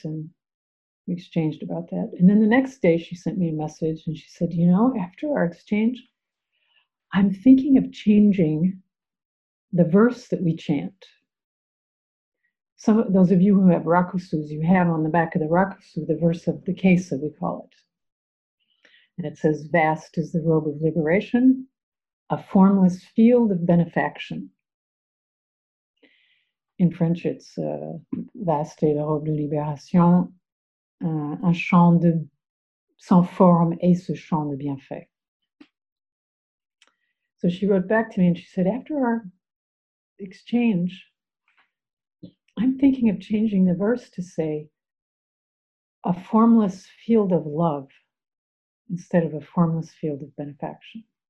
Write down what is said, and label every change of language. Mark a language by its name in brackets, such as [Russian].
[English] And we exchanged about that. And then the next day she sent me a message and she said, you know, after our exchange, I'm thinking of changing the verse that we chant. Some of those of you who have rakusus, you have on the back of the rakusu the verse of the kesa, we call it. And it says, vast is the robe of liberation, a formless field of benefaction. In French, it's [French] vast est la robe de libération, un champ de sans forme et ce champ de bienfait. [English] So she wrote back to me and she said, after our exchange, I'm thinking of changing the verse to say a formless field of love instead of a formless field of benefaction.